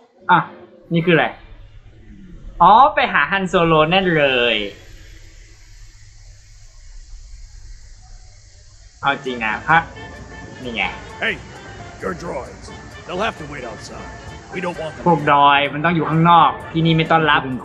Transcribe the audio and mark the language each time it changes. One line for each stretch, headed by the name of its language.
Thai: อ่ะนี่คืออะไรอ๋อไปหาฮันโซโลนั่นเลยเอาจริงนะพักนี่ไง
English: Hey your droids they'll have to wait outside we don't want
Thai: พวกดอยมันต้องอยู่ข้างนอกที่นี่ไม่ต้อนรับ